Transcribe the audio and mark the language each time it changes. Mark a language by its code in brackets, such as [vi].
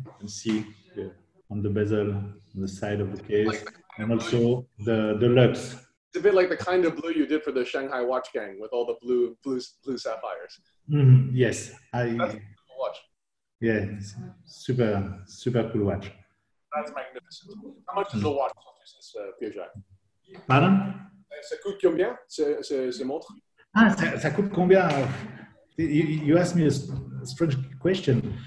[en] You can see on the bezel, on the side of the case, like and also the lux. It's a bit like the kind of blue you did for the Shanghai Watch Gang with all the blue sapphires. Mm-hmm. Yes. That's a cool watch. Yeah, it's super, super cool watch. That's magnificent. How much is the watch, Pierre Jacques? [fr] Pardon? Ça coûte combien, ce montre? Ah, ça coûte combien? [en] You asked me a strange question.